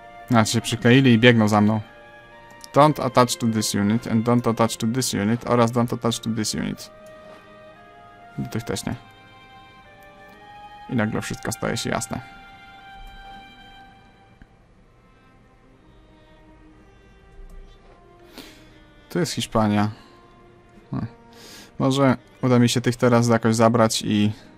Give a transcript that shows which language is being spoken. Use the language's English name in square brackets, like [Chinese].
[Polish] Znaczy się przykleili i biegną za mną. [English] Don't attach to this unit and don't attach to this unit [Polish] oraz [English] don't attach to this unit. [Polish] Do tych też nie. I nagle wszystko staje się jasne. Tu jest Hiszpania. Może uda mi się tych teraz jakoś zabrać i...